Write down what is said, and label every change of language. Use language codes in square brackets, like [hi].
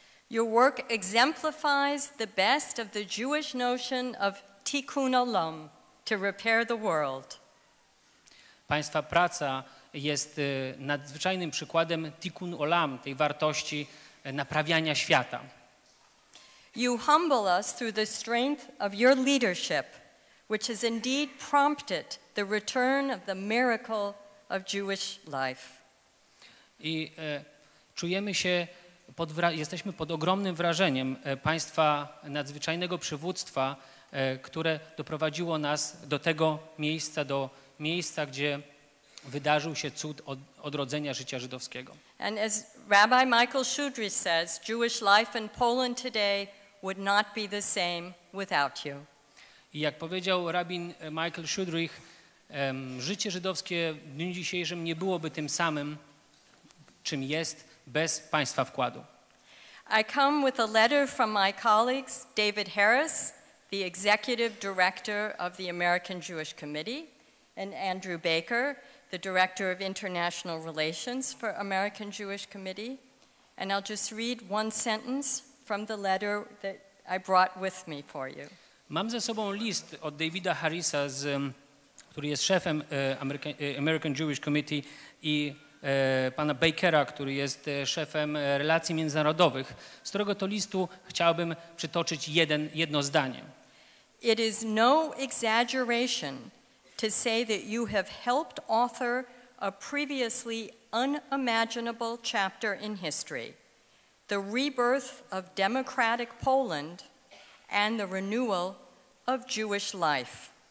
[en] Your work exemplifies the best of the Jewish notion of tikkun olam, to repair the world. [pl] Państwa praca jest nadzwyczajnym przykładem tikkun olam, tej wartości naprawiania świata. [en] You humble us through the strength of your leadership, which has indeed prompted the return of the miracle of Jewish life. [pl] I czujemy się jesteśmy pod ogromnym wrażeniem państwa nadzwyczajnego przywództwa, które doprowadziło nas do tego miejsca, do miejsca, gdzie wydarzył się cud odrodzenia życia żydowskiego. [en] And as Rabbi Michael Shudry says, Jewish life in Poland today would not be the same without you. [pl] I jak powiedział rabin Michael Shudrych, życie żydowskie w dniu dzisiejszym nie byłoby tym samym, czym jest, bez państwa wkładu. [en] I come with a letter from my colleagues, David Harris, the executive director of the American Jewish Committee, and Andrew Baker, the director of international relations for American Jewish Committee. And I'll just read one sentence from the letter that I brought with me for you. [pl] Mam ze sobą list od Davida Harrisa, który jest szefem American Jewish Committee, i pana Bakera, który jest szefem relacji międzynarodowych. Z którego to listu chciałbym przytoczyć jedno zdanie. [en] It is no exaggeration to say that you have helped author a previously unimaginable chapter in history, the rebirth of democratic Poland and the renewal of Jewish life.